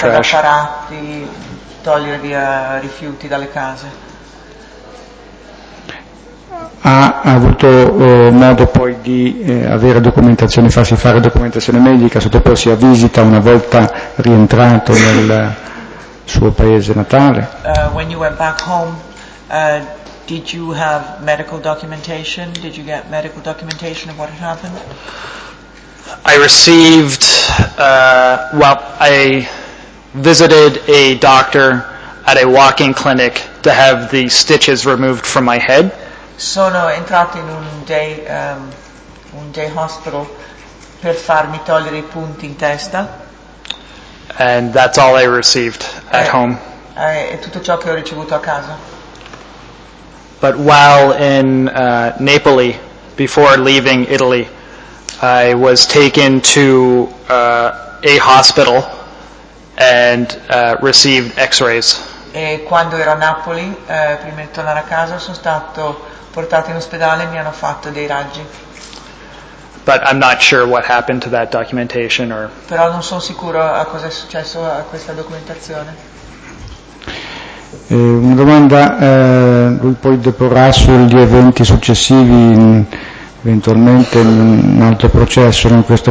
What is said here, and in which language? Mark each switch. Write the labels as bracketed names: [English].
[Italian] Carta da parati, togliere via rifiuti dalle case. Ha avuto modo poi di avere documentazione, farsi fare documentazione medica, sottoporsi a visita una volta rientrato nel suo paese natale? [English] When you went back home, did you have medical documentation? Did you get medical documentation of what had happened? I received, I visited a doctor at a walk-in clinic to have the stitches removed from my head. [Italian] Sono entrato in un day hospital per farmi togliere I punti in testa. [English] And that's all I received at home. [Italian] È tutto ciò che ho ricevuto a casa. [English] But while in Napoli, before leaving Italy, I was taken to a hospital and received x-rays. [Italian] E quando ero a Napoli, prima di tornare a casa, sono stato portato in ospedale e mi hanno fatto dei raggi. [English] But I'm not sure what happened to that documentation or... [Italian] Però non sono sicuro a cosa è successo a questa documentazione. Una domanda, lui poi deporrà sugli eventi successivi eventualmente in un altro processo, non questo.